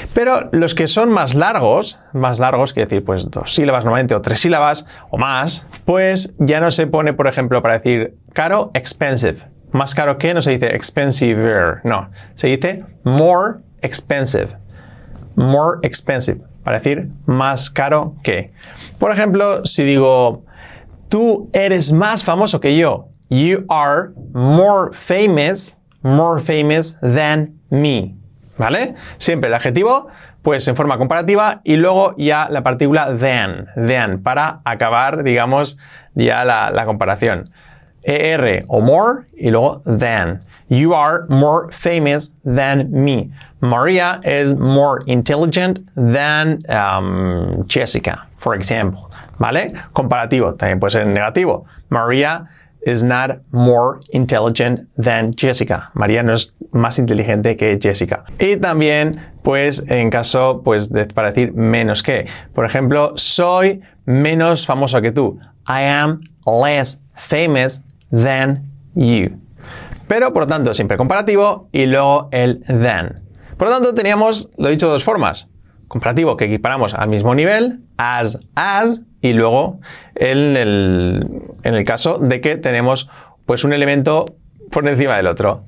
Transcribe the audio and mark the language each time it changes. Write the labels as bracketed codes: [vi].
[es] Pero los que son más largos, quiere decir, pues, dos sílabas normalmente, o tres sílabas o más, pues ya no se pone, por ejemplo, para decir caro, expensive. Más caro que, no se dice expensiver, no. Se dice [en] more expensive. More expensive, [es] para decir más caro que. Por ejemplo, si digo, tú eres más famoso que yo. [en] You are more famous than me. [es] ¿Vale? Siempre el adjetivo, pues, en forma comparativa, y luego ya la partícula than, para acabar, digamos, ya la comparación. Er o more, y luego than. [en] You are more famous than me. Maria is more intelligent than Jessica, for example. [es] ¿Vale? Comparativo, también puede ser negativo. [en] Maria is not more intelligent than Jessica. [es] María no es más inteligente que Jessica. Y también, pues, en caso, pues, para decir menos que. Por ejemplo, soy menos famoso que tú. [en] I am less famous than you. [es] Pero, por lo tanto, siempre comparativo y luego el than. Por lo tanto, teníamos, lo dicho, dos formas. Comparativo, que equiparamos al mismo nivel, as, y luego en el caso de que tenemos, pues, un elemento por encima del otro.